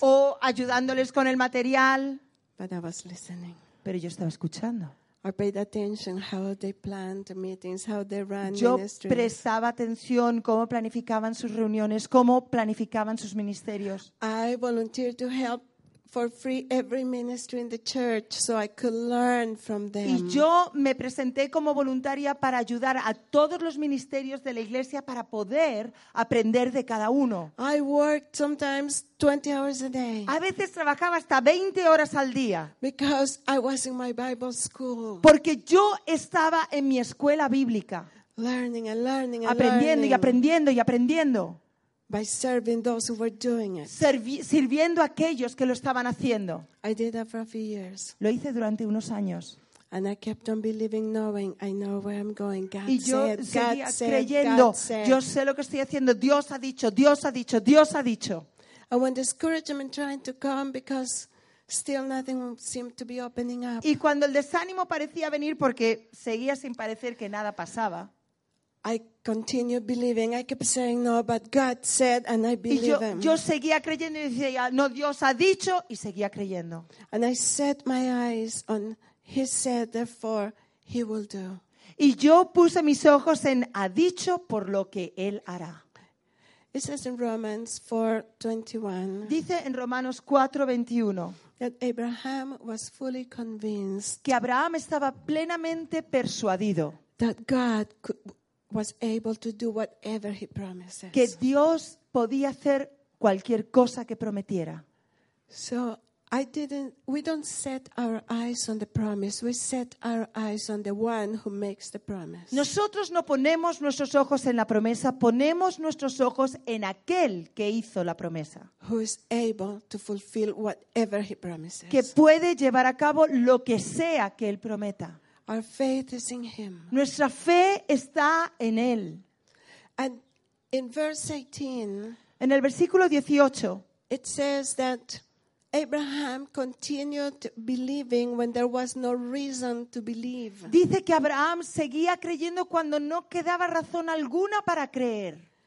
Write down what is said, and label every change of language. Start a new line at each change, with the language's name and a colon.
Spanish: o ayudándoles con el material.
English: But I was listening.
Spanish: Pero yo estaba escuchando.
English: I paid attention how they planned meetings, how they ran ministries.
Spanish: Yo prestaba atención cómo planificaban sus reuniones, cómo planificaban sus ministerios.
English: I volunteered to help for free every ministry in the church so I could learn from them.
Spanish: Y yo me presenté como voluntaria para ayudar a todos los ministerios de la iglesia para poder aprender de cada uno.
English: I worked sometimes 20 hours a day.
Spanish: A veces trabajaba hasta 20 horas al día.
English: Because I was in my Bible school.
Spanish: Porque yo estaba en mi escuela bíblica.
English: Learning and learning and
Spanish: aprendiendo
English: learning.
Spanish: Y aprendiendo y aprendiendo.
English: By serving those who were doing it.
Spanish: Sirviendo a aquellos que lo estaban haciendo.
English: I did that for a few years.
Spanish: Lo hice durante unos años.
English: And I kept on believing, knowing I know where I'm going. God said,
Spanish: y yo seguía creyendo. Yo sé lo que estoy haciendo. Dios ha dicho. Dios ha dicho. Dios ha dicho.
English: And when discouragement trying to come because still nothing seemed to be opening up.
Spanish: Y cuando el desánimo parecía venir porque seguía sin parecer que nada pasaba.
English: I continue believing. I kept saying no, but God said, and I believe
Spanish: y yo,
English: him.
Spanish: Yo seguía creyendo y decía, no, Dios ha dicho, y seguía creyendo.
English: And I set my eyes on, he said, therefore, he will do.
Spanish: Y yo puse mis ojos en ha dicho por lo que él hará.
English: It says in Romans 4:21.
Spanish: Dice en Romanos 4:21.
English: That Abraham was fully convinced.
Spanish: Que Abraham estaba plenamente persuadido.
English: That God could, was able to do whatever he promises.
Spanish: Que Dios podía hacer cualquier cosa que prometiera.
English: So I didn't. We don't set our eyes on the promise. We set our eyes on the one who makes the promise.
Spanish: Nosotros no ponemos nuestros ojos en la promesa. Ponemos nuestros ojos en aquel que hizo la promesa.
English: Who is able to fulfill whatever he promises.
Spanish: Que puede llevar a cabo lo que sea que él prometa.
English: Our faith is in him.
Spanish: Nuestra fe está en él.
English: And in verse 18.
Spanish: En el versículo 18.
English: It says that Abraham continued believing when there was no reason to believe.
Spanish: Dice que Abraham seguía creyendo cuando no quedaba razón alguna para creer.